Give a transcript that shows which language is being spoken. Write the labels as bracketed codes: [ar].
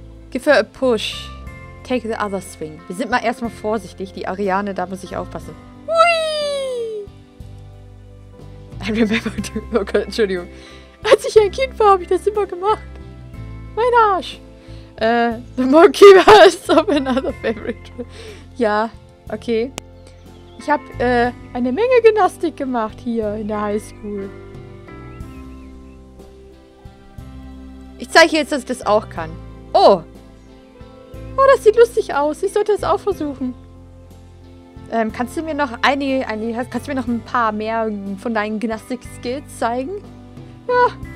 [en] Give her a push. Take the other swing. [de] Wir sind mal erstmal vorsichtig. Die Ariane, da muss ich aufpassen. Whee! [en] I remember to... [de] Oh Gott, Entschuldigung. Als ich ein Kind war, habe ich das immer gemacht. Mein Arsch. [en] The monkey was of another favorite. [de] Ja, okay. Ich habe eine Menge Gymnastik gemacht hier in der Highschool. Ich zeige jetzt, dass ich das auch kann. Oh! Oh, das sieht lustig aus. Ich sollte das auch versuchen. Kannst du mir noch kannst du mir noch ein paar mehr von deinen Gymnastik-Skills zeigen? Ja.